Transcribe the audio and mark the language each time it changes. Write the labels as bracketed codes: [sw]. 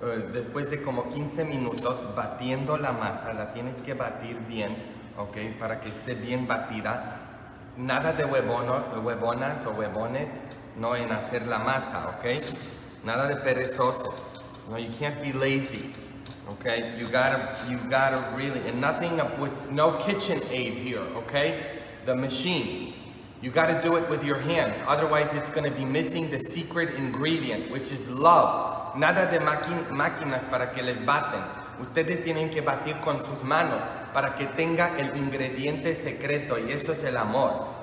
[es] Después de como 15 minutos batiendo la masa, la tienes que batir bien, okay, para que esté bien batida. Nada de huevonas o huevones, no, en hacer la masa, okay? Nada de perezosos. [en] No, you can't be lazy, okay? You gotta really, and nothing with no kitchen aid here, okay? The machine. You gotta do it with your hands, otherwise it's gonna be missing the secret ingredient, which is love. [es] Nada de máquinas para que les baten. Ustedes tienen que batir con sus manos para que tenga el ingrediente secreto, y eso es el amor.